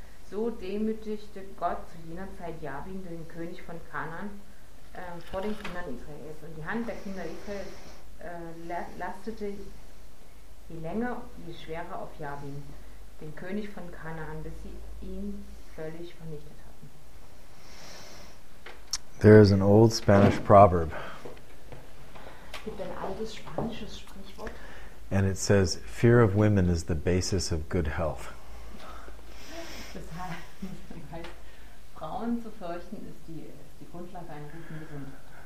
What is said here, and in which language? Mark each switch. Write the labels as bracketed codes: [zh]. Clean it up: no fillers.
[de] So demütigte Gott zu jener Zeit Jabin, den König von Kanaan, vor den Kindern Israels. Und die Hand der Kinder Israels lastete, je länger, je schwerer, auf Jabin, den König von Kanaan, bis sie ihn völlig vernichtet hatten. [en] There is an old Spanish proverb. [de] Es gibt ein altes spanisches Sprichwort. [en] And it says, fear of women is the basis of good health. [de] Das heißt, Frauen zu fürchten ist die Grundlage einer guten Gesundheit.